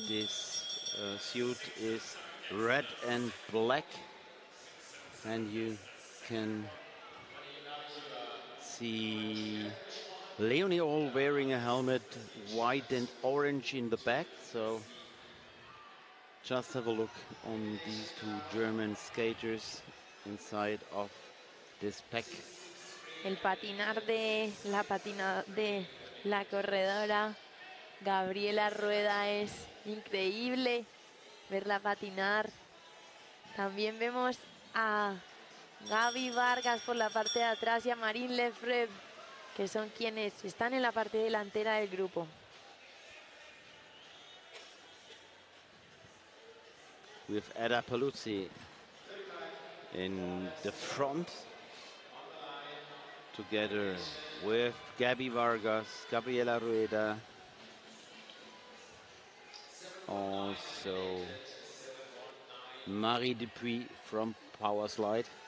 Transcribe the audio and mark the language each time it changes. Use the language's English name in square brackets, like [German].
[English] This suit is red and black, and you can see Leonie Ohl wearing a helmet, white and orange in the back. So just have a look on these two German skaters inside of this pack. [Spanish] El patinar de la corredora Gabriela Rueda es increíble verla patinar. También vemos a Gaby Vargas por la parte de atrás y a Marine Lefebvre, que son quienes están en la parte delantera del grupo. [English] With Eda Paluzzi in the front, together with Gabby Vargas, Gabriela Rueda, also Marie Dupuy from Power Slide.